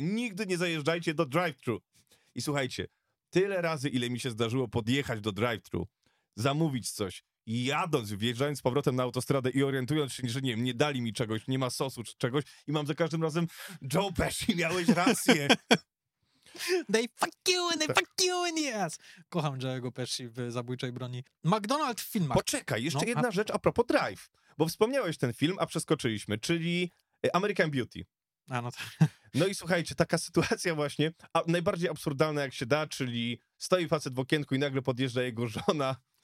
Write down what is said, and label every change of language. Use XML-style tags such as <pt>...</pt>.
<pl>Nigdy nie zajeżdżajcie do drive-thru. I słuchajcie, tyle razy, ile mi się zdarzyło podjechać do drive-thru, zamówić coś, jadąc, wjeżdżając z powrotem na autostradę i orientując się, że nie wiem, nie dali mi czegoś, nie ma sosu czy czegoś i mam za każdym razem, Joe Pesci, miałeś rację.</pl> <en>They fuck you and they fuck you and yes.</en> <pl>Kocham Joe'ego Pesci w Zabójczej Broni. McDonald's w filmach. Poczekaj, jeszcze no, jedna rzecz a propos Drive, bo wspomniałeś ten film, a przeskoczyliśmy, czyli American Beauty. A no, to... no i słuchajcie, taka sytuacja właśnie, a najbardziej absurdalna jak się da, czyli stoi facet w okienku i nagle podjeżdża jego żona.</pl>